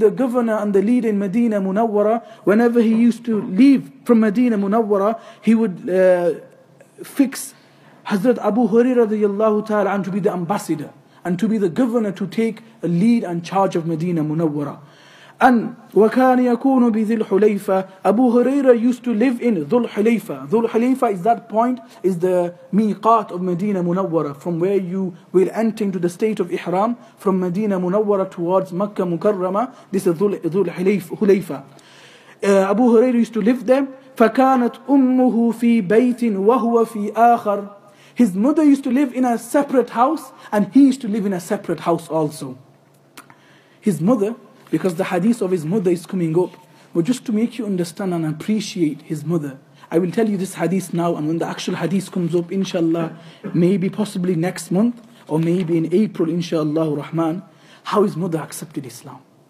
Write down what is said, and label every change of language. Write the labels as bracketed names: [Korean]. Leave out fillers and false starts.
[English] the governor and the leader in Medina Munawwara, whenever he used to leave from Medina Munawwara, he would fix Hazrat Abu Hurairah radiyallahu ta'ala and to be the ambassador and to be the governor to take a lead and charge of Medina Munawwara. [Arabic] And وكان يكون بذي الحليفة. [English] Abu Huraira used to live in Dhul Hulayfa. Dhul Hulayfa is that point, is the miqat of Medina Munawwara, from where you will enter into the state of Ihram from Medina Munawwara towards Makkah Mukarrama. This is Dhul Hulayfa. Abu Huraira used to live there. [Arabic] فكانت أمه في بيت وهو في آخر. [English] His mother used to live in a separate house, and he used to live in a separate house also. His mother, because the hadith of his mother is coming up. But just to make you understand and appreciate his mother, I will tell you this hadith now, and when the actual hadith comes up, inshallah, maybe possibly next month, or maybe in April, inshallah, Rahman, how his mother accepted Islam.